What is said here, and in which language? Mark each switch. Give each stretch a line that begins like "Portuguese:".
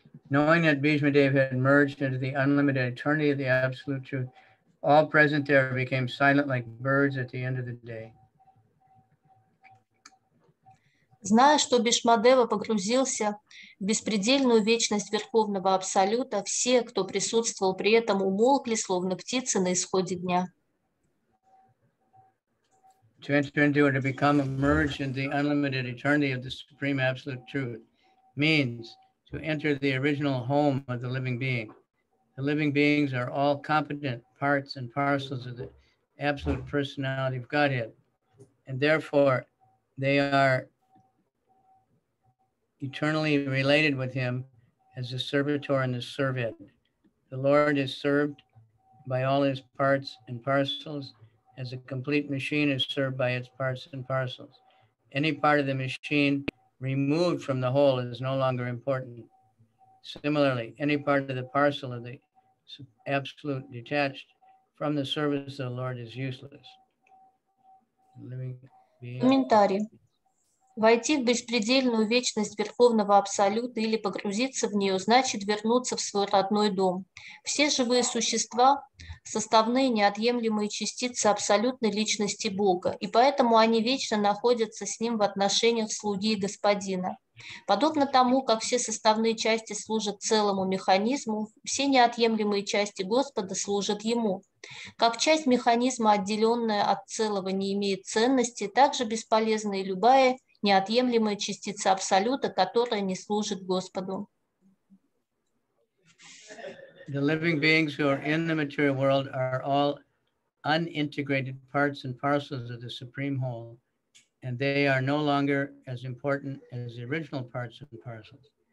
English: Knowing that Bhishma Dev had merged into the unlimited eternity of the Absolute Truth, all present there became silent like birds at the end of the day.
Russian: Зная, что Бишмадева погрузился в беспредельную вечность Верховного Абсолюта, все, кто присутствовал при этом, умолкли, словно птицы на исходе дня.
English: To enter into or to become immersed in the unlimited eternity of the Supreme Absolute Truth means to enter the original home of the living being. The living beings are all competent parts and parcels of the Absolute Personality of Godhead, and therefore they are eternally related with him as the servitor and the servant. The Lord is served by all his parts and parcels as a complete machine is served by its parts and parcels. Any part of the machine removed from the whole is no longer important. Similarly, any part of the parcel of the absolute detached from the service of the Lord is useless. Commentary.
Russian: Войти в беспредельную вечность Верховного Абсолюта или погрузиться в нее, значит вернуться в свой родной дом. Все живые существа – составные неотъемлемые частицы абсолютной личности Бога, и поэтому они вечно находятся с Ним в отношениях слуги и господина. Подобно тому, как все составные части служат целому механизму, все неотъемлемые части Господа служат Ему. Как часть механизма, отделенная от целого, не имеет ценности, так же бесполезна и любая неотъемлемая частица Абсолюта, которая не служит Господу.
English: The living beings who are in the material world are all unintegrated parts and parcels of the Supreme Whole. And they are no longer as important as the original parts and parcels.